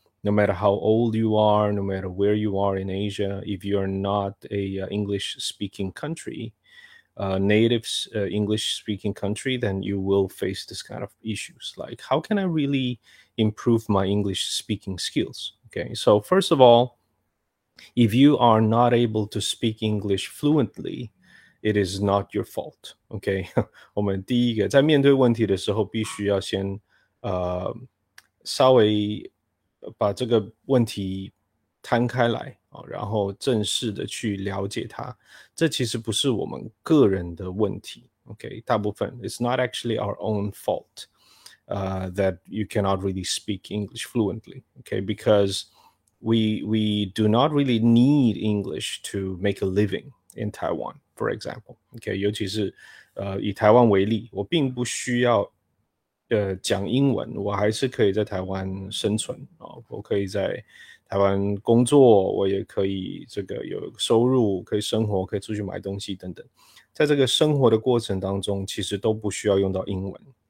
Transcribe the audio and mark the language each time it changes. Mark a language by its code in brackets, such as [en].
[en] No matter how old you are, no matter where you are in Asia, if you are not a English speaking country, native English speaking country, then you will face this kind of issues. Like, how can I really improve my English speaking skills? Okay, so first of all, if you are not able to speak English fluently, it is not your fault. [zh] Okay, 我们第一个在面对问题的时候，必须要先稍微把这个问题摊开来，然后正式的去了解它。这其实不是我们个人的问题。 [en] Okay, [zh] 大部分 [en] it's not actually our own fault that you cannot really speak English fluently. Okay, because we do not really need English to make a living in Taiwan, for example. [zh] Okay, 尤其是以台湾为例，我并不需要讲英文，我还是可以在台湾生存，我可以在台湾工作，我也可以这个有收入，可以生活，可以出去买东西等等，在这个生活的过程当中其实都不需要用到英文，